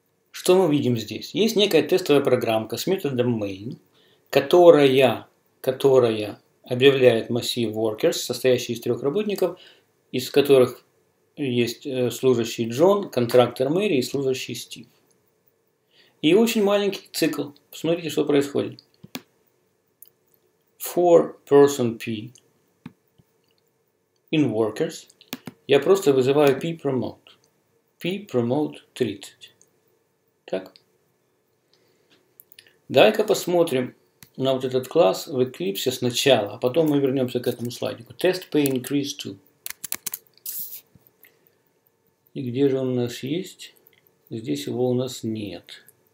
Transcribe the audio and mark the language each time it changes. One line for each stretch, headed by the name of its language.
Russian: Что мы видим здесь? Есть некая тестовая программка с методом main, которая объявляет массив workers, состоящий из трех работников, из которых есть служащий Джон, контрактор Мэри и служащий Стив. И очень маленький цикл. Посмотрите, что происходит.
English: For person P in workers
Russian: я просто вызываю ppromote. ppromote 30. Так. Давай-ка посмотрим на вот этот класс в Eclipse сначала, а потом мы вернемся к этому слайдику.
English: Test pay increase to.
Russian: И где же он у нас есть? Здесь его у нас нет.